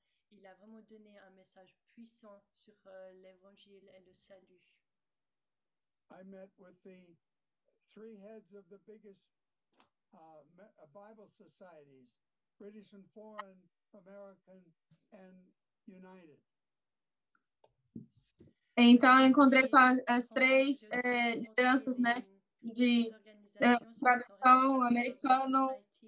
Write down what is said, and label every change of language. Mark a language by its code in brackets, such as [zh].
[fr] Il a vraiment donné un message puissant sur l'évangile et le salut. [en] I met with the three heads of the biggest Bible societies, British and Foreign, American and United. [pt] Então eu encontrei com as três lideranças, né, de tradução americano.